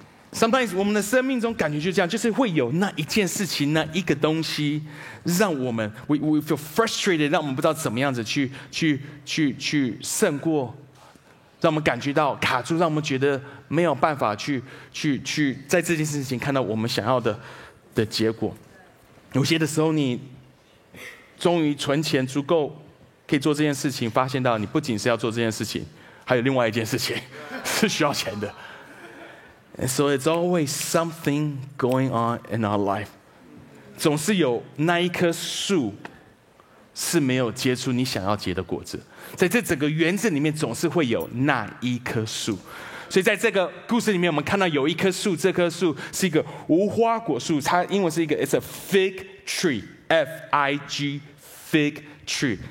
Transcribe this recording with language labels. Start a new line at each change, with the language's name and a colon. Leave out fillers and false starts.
Chinese: Sometimes 我们的生命中感觉就这样，就是会有那一件事情，那一个东西，让我们
English: we feel frustrated，
Chinese: 让我们不知道怎么样子去胜过，让我们感觉到卡住，让我们觉得没有办法去在这件事情看到我们想要的结果。有些的时候你终于存钱足够可以做这件事情，发现到你不仅是要做这件事情，还有另外一件事情是需要钱的。
English: And so it's always something going on in our life.
Chinese: 总是有那一棵树是没有结出你想要结的果子，在这整个园子里面总是会有那一棵树。所以在这个故事里面我们看到有一棵树，这棵树是一个无花果树，它英文是一个
English: It's a fig tree, F-I-G, fig tree.